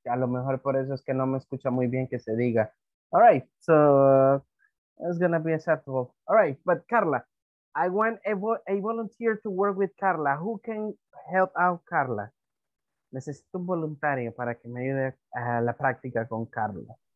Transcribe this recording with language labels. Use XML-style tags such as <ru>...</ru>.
<es>A lo mejor por eso es que no me escucha muy bien que se diga.</es> <en>All right, so it's gonna be acceptable. All right, but Carla, I want a volunteer to work with Carla. Who can help out Carla?</en> <es>Necesito un voluntario para que me ayude a la práctica con Carla.</es>